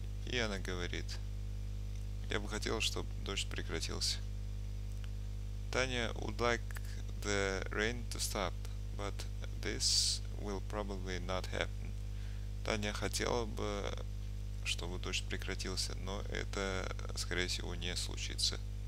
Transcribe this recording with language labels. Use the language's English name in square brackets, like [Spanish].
[Russian] И она говорит, я бы хотел, чтобы дождь прекратился. [English] Таня would like the rain to stop, but this will probably not happen. [Russian] Таня хотела бы, чтобы дождь прекратился, но это, скорее всего, не случится.